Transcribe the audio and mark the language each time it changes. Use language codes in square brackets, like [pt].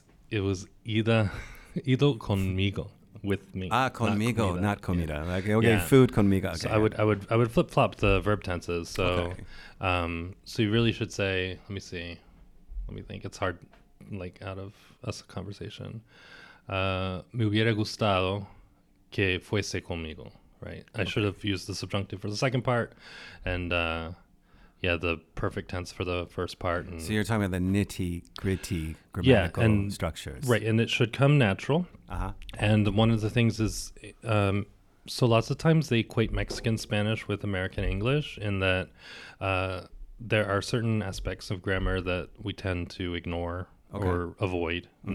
[en] It was [es] ido conmigo, [en] with me. Ah, conmigo, not comida. Yeah. Like, okay, yeah. Food conmigo. Okay. So I would flip flop the verb tenses. So, okay. So you really should say. Let me see. Let me think. It's hard, like out of us a conversation. [es] Me hubiera gustado que fuese conmigo. [en] Right. Okay. I should have used the subjunctive for the second part, and the perfect tense for the first part. And so you're talking about the nitty-gritty grammatical structures. Right, and it should come natural. Uh-huh. And one of the things is, so lots of times they equate Mexican Spanish with American English in that there are certain aspects of grammar that we tend to ignore or avoid, mm-hmm.